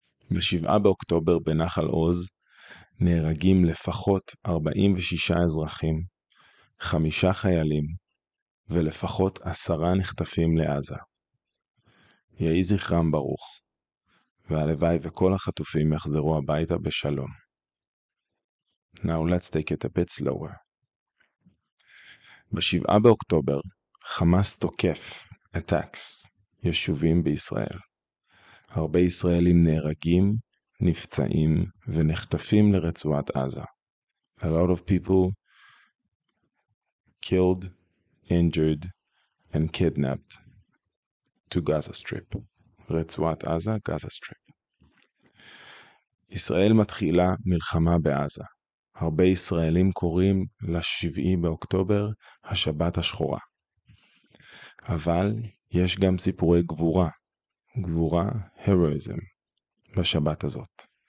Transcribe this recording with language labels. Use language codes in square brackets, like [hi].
[he] בשבעה באוקטובר בנחל עוז נהרגים לפחות 46 אזרחים, 5 חיילים ולפחות 10 נחטפים לעזה. יהי זכרם ברוך, והלוואי וכל החטופים יחזרו הביתה בשלום. [en] Now let's take it a bit slower. [he] בשבעה באוקטובר, חמאס תוקף, attacks, יישובים בישראל. הרבה ישראלים נהרגים, נפצעים ונחטפים לרצועת עזה. [en] A lot of people killed, injured and kidnapped to Gaza Strip. [he] רצועת עזה, Gaza Strip. ישראל מתחילה מלחמה בעזה. הרבה ישראלים קוראים לשבעי באוקטובר השבת השחורה. אבל יש גם סיפורי גבורה. גבורה, heroism, בשבת הזאת.